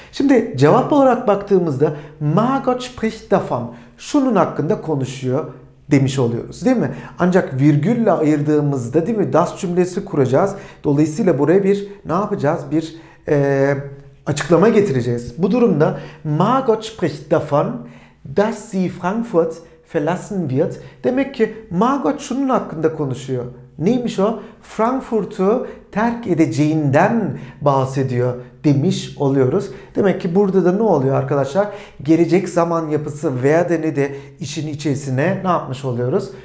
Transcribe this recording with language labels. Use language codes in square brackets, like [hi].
[tr] Şimdi cevap olarak baktığımızda [de] Margot spricht davon, [tr] şunun hakkında konuşuyor demiş oluyoruz, değil mi? Ancak virgülle ayırdığımızda, değil mi, das cümlesi kuracağız. Dolayısıyla buraya bir ne yapacağız? Bir açıklama getireceğiz. Bu durumda [de] Margot spricht davon, dass sie Frankfurt verlassen wird. [tr] Demek ki Margot şunun hakkında konuşuyor. Neymiş o? Frankfurt'u terk edeceğinden bahsediyor demiş oluyoruz. Demek ki burada da ne oluyor arkadaşlar? Gelecek zaman yapısı werden'i de işin içerisine ne yapmış oluyoruz?